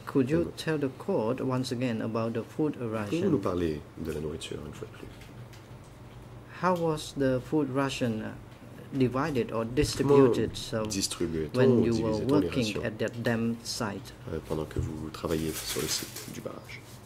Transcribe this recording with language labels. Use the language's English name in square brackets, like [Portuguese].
[English] Could you tell the court once again about the food rations? [French] Pouvez-vous nous parler de la nourriture une fois de plus? [English] How was the food ration divided or distributed when you were working at that dam site? [French] Pendant que vous travailliez sur le site du barrage.